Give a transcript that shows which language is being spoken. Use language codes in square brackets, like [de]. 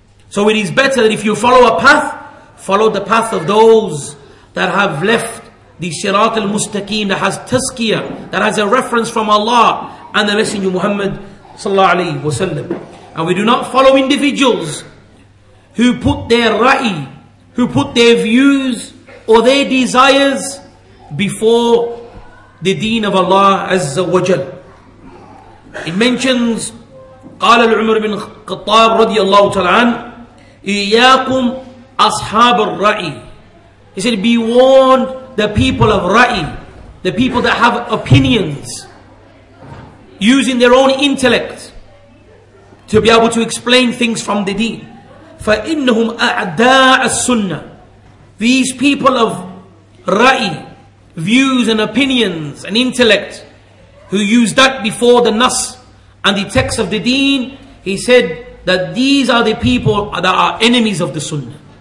[en] So it is better that if you follow a path, follow the path of those that have left the Sirat al-Mustaqim, that has tazkiyah, that has a reference from Allah and the Messenger Muhammad sallallahu alayhi wa sallam. And we do not follow individuals who put their ra'i, who put their views or their desires before the deen of Allah Azza wa Jal. [ar] It mentions, قال العمر بن الخطاب رضي الله تعالى عنه إياكم أصحاب الرأي. [en] He said, be warned the people of Ra'i, the people that have opinions, using their own intellect to be able to explain things from the deen. [ar] فإنهم أعداء السنة. [en] These people of Ra'i, views and opinions and intellect, who use that before the Nas and the texts of the deen, he said that these are the people that are enemies of the sunnah.